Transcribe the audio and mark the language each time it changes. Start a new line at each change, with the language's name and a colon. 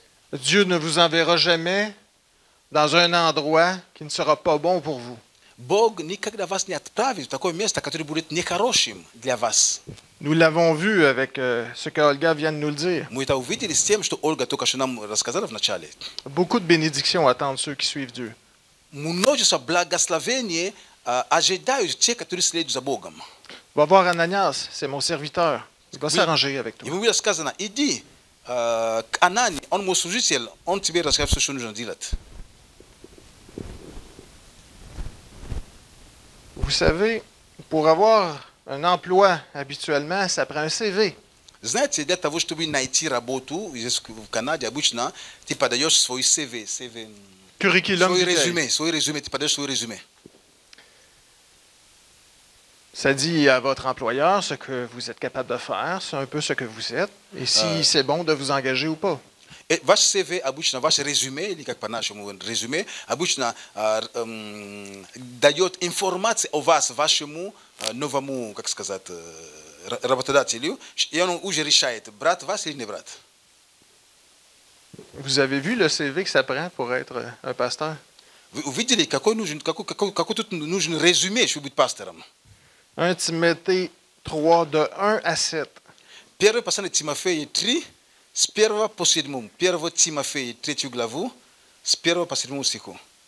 French: Dieu ne vous enverra jamais dans un endroit qui ne sera pas bon pour vous.
Russian: Бог никогда вас не отправит в такое место, которое будет нехорошим для вас.
French: Nous l'avons vu avec ce que Olga vient de nous le dire.
Russian: Мы это увидели с тем, что Ольга только что нам рассказала в начале.
French: Beaucoup de bénédictions attendent ceux qui suivent Dieu.
Russian: Множество благословений ожидают тех, которые следуют за Богом.
French: Va voir Ananias, c'est mon serviteur. Il va s'arranger avec toi.
Russian: Ему было сказано, иди к Анане, он мой служитель, он тебе расскажет все, что нужно делать.
French: Vous savez, pour avoir un emploi habituellement, ça prend un CV.
Russian: Знаете, для того, чтобы найти работу в Канаде обычно, ты подаешь свой CV.
French: Curriculum vitae.
Russian: Свой резюме, ты подаешь свой резюме.
French: Ça dit à votre employeur ce que vous êtes capable de faire, c'est un peu ce que vous êtes, et si c'est bon de vous engager ou pas. Et votre CV
Russian: обычно, ваше резюме, или как по-нашему резюме, обычно дает информацию о вас, вашему новому, как сказать, работодателю, и он уже решает, брат вас или не брат.
French: Vous avez vu le CV que ça prend pour être un pasteur?
Russian: Вы увидели, какой тут нужен резюме, чтобы быть пастором?
French: 1 Timothée 3, de 1 à 7.
Russian: Первый послание Тимофея 3. С 1 по 7, 1 Тимофея, 3 главу, с 1 по 7 стиху.